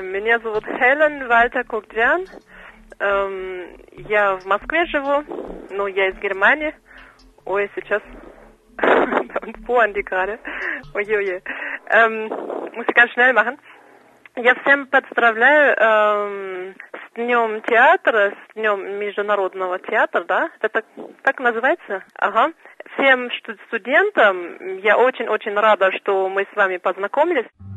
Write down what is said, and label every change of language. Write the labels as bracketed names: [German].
[Russian] Меня зовут Хелен Вальтер Куктян. Я в Москве живу, но я из Германии. Ой, сейчас [German] und fuhren die gerade. Ой-ой-ой. Muss ich ganz schnell machen. [Russian] Я всем поздравляю с днем театра, с днем международного театра, да? Это так называется? Ага. Всем студентам я очень-очень рада, что мы с вами познакомились.